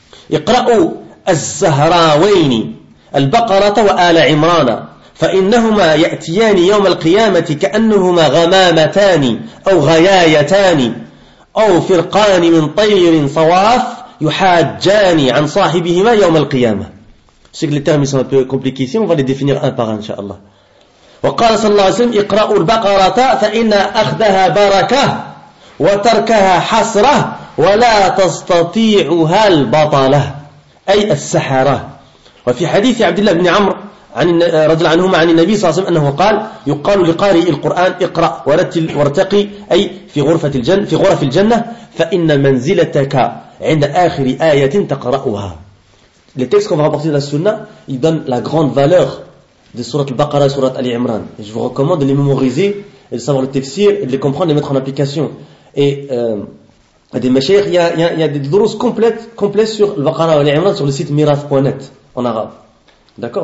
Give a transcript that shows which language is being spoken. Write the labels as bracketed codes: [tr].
[ar] يقرأ الزهراوين البقرة وآل عمران فإنهما يأتيان يوم القيامة كأنهما غمامتان أو غيايتان أو فرقان من طير صواف يحاجان عن صاحبهما يوم القيامة. [fr] Je sais que les termes sont un peu compliqués ici, on va les définir un par un, inshallah. [ar] وقال صلى الله عليه وسلم اقرأوا البقرة فإن أخذها بركة وتركها حسرة ولا تستطيعها البطلة أي السحرة. وفي حديث عبد الله بن عمرو عن رجل عنهما عن النبي صلى الله عليه وسلم أنه قال يقال لقارئ القرآن اقرأ ورتل وارتقي أي في غرفة الجنة في غرف الجنة فإن منزلتك عند آخر آية تقرأها. [fr] Les textes qu'on va rapporter de la sunna, ils donnent la grande valeur de surat al-Baqarah et surat al-Imran. Et je vous recommande de les mémoriser, et de savoir le tafsir, et de les comprendre, et de les mettre en application. Et des mashaykh, il y a des dourous complètes sur al-Baqarah et al-Imran sur le site miraf.net en arabe. D'accord?